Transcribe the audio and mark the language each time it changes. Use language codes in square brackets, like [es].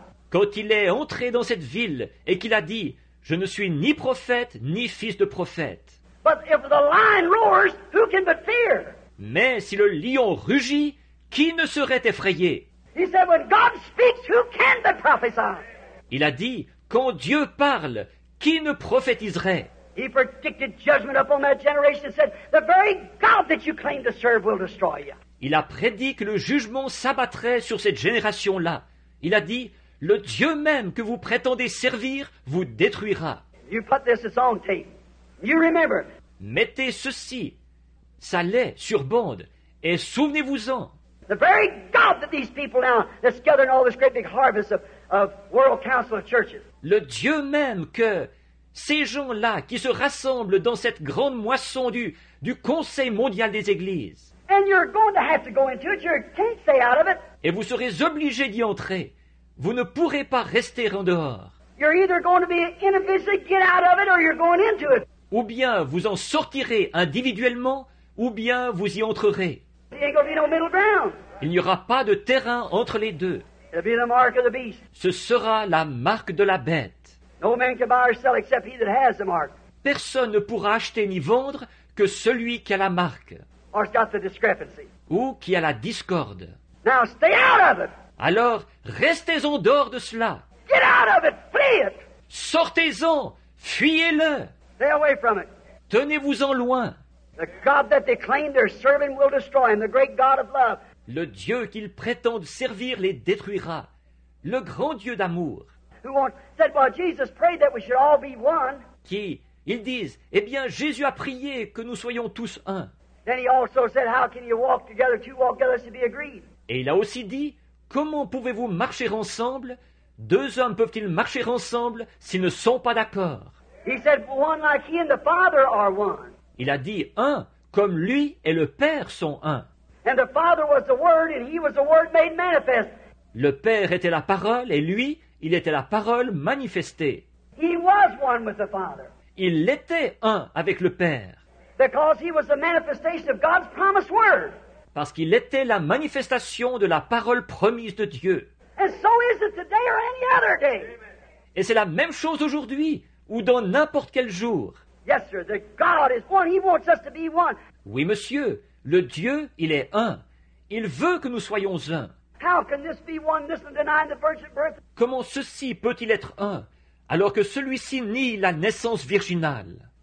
[fr] Quand il est entré dans cette ville et qu'il a dit, je ne suis ni prophète ni fils de prophète. [en] But if the lion roars, who can but fear? [fr] Mais si le lion rugit, qui ne serait effrayé? [en] He said, when God speaks, who can but prophesy? [fr] Il a dit, quand Dieu parle, qui ne prophétiserait? [en] He predicted judgment upon that generation and said, the very God that you claim to serve will destroy you. [fr] Il a prédit que le jugement s'abattrait sur cette génération-là. Il a dit, le Dieu même que vous prétendez servir vous détruira. [en] You put this on tape. You remember. [fr] Mettez ceci, ça l'est, sur bande, et souvenez-vous-en. [en] The very God that these people now that's gathering all this great big harvest of World Council of Churches. [fr] Le Dieu même que ces gens-là qui se rassemblent dans cette grande moisson du Conseil mondial des églises. [en] And you're going to have to go into it. You can't stay out of it. [fr] Et vous serez obligés d'y entrer. Vous ne pourrez pas rester en dehors. [en] You're either going to be individually get out of it or you're going into it. [fr] Ou bien vous en sortirez individuellement ou bien vous y entrerez. [en] There ain't gonna be no middle ground. [fr] Il n'y aura pas de terrain entre les deux. [en] It'll be the mark of the beast. [fr] Ce sera la marque de la bête. [en] No man can buy or sell except he that has the mark. [fr] Personne ne pourra acheter ni vendre que celui qui a la marque. [en] Or it's got the discrepancy. [fr] Ou qui a la discorde. [en] Now stay out of it. [fr] Alors, restez en dehors de cela. [en] Get out of it, flee it. [fr] Sortez-en, fuyez-le. [en] Stay away from it. [fr] Tenez-vous-en loin. [en] The God that they claim they're serving will destroy him, the great God of love. [fr] Le Dieu qu'ils prétendent servir les détruira. Le grand Dieu d'amour. [en] Who won't said, well, Jesus prayed that we should all be one. [fr] Qui, ils disent, eh bien, Jésus a prié que nous soyons tous un. [en] Then he also said, how can you walk together, two walk together to be agreed? [fr] Et il a aussi dit, comment pouvez-vous marcher ensemble? Deux hommes peuvent-ils marcher ensemble s'ils ne sont pas d'accord? [en] He said, one like he and the Father are one. [fr] Il a dit, un, comme lui et le Père sont un. [en] And the Father was the Word and he was the Word made manifest. [fr] Le Père était la parole et lui, il était la parole manifestée. [en] He was one with the Father. [fr] Il était un avec le Père. [en] Because he was the manifestation of God's promised Word. [fr] Parce qu'il était la manifestation de la parole promise de Dieu. [en] And so is it today or any other day. [fr] Et c'est la même chose aujourd'hui ou dans n'importe quel jour. [en] Yes, sir. The God is one. He wants us to be one. [fr] Oui, monsieur. Le Dieu, il est un. Il veut que nous soyons un. [en] How can this be one, this one denying the virgin birth? [fr] Comment ceci peut-il être un alors que celui-ci nie la naissance virginale?